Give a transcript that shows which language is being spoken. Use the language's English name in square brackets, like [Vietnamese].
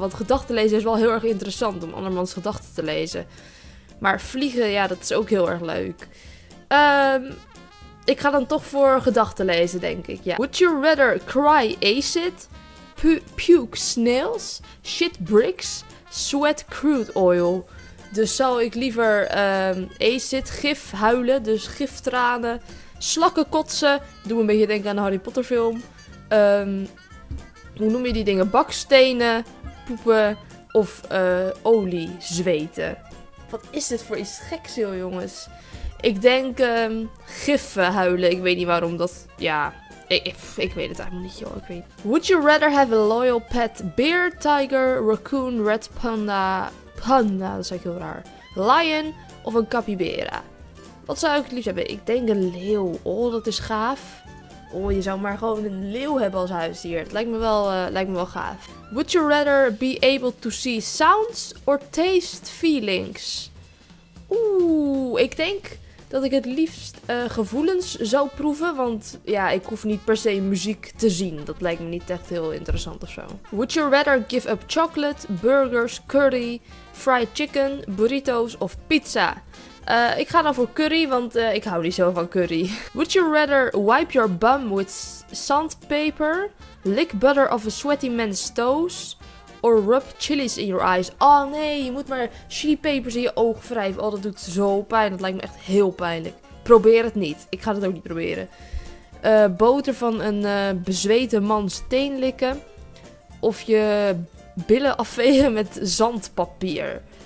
[Dutch] Want gedachten lezen is wel heel erg interessant om andermans gedachten te lezen. Maar vliegen, ja, dat is ook heel erg leuk. Ik ga dan toch voor gedachten lezen, denk ik, ja. [English] Would you rather cry acid, puke snails, shit bricks, sweat crude oil? [Dutch] Dus zou ik liever acid, gif, huilen, dus giftranen, slakken kotsen. Doe een beetje denken aan de Harry Potter film. Hoe noem je die dingen? Bakstenen, poepen of olie, zweten. Wat is dit voor iets geks, joh, jongens. Ik denk giffen, huilen. Ik weet niet waarom dat... Ja, ik weet het eigenlijk niet, joh. Ik weet... [English] Would you rather have a loyal pet? Bear, tiger, raccoon, red panda... Panda, [Dutch] dat is eigenlijk heel raar. Lion of een capybara? Wat zou ik het liefst hebben? Ik denk een leeuw. Oh, dat is gaaf. Oh, je zou maar gewoon een leeuw hebben als huisdier. Het lijkt me wel gaaf. [English] Would you rather be able to see sounds or taste feelings? [Dutch] Oeh, ik denk dat ik het liefst gevoelens zou proeven. Want ja, ik hoef niet per se muziek te zien. Dat lijkt me niet echt heel interessant of zo. [English] Would you rather give up chocolate, burgers, curry, fried chicken, burritos of pizza? [Dutch] Ik ga dan voor curry, want ik hou niet zo van curry. [English] Would you rather wipe your bum with sandpaper, lick butter off a sweaty man's toes, or rub chilies in your eyes? [Dutch] Oh nee, je moet maar chilipepers in je oog wrijven. Oh, dat doet zo pijn. Dat lijkt me echt heel pijnlijk. Probeer het niet. Ik ga het ook niet proberen. Boter van een bezweten man's teen likken. Of je billen afvegen met zandpapier.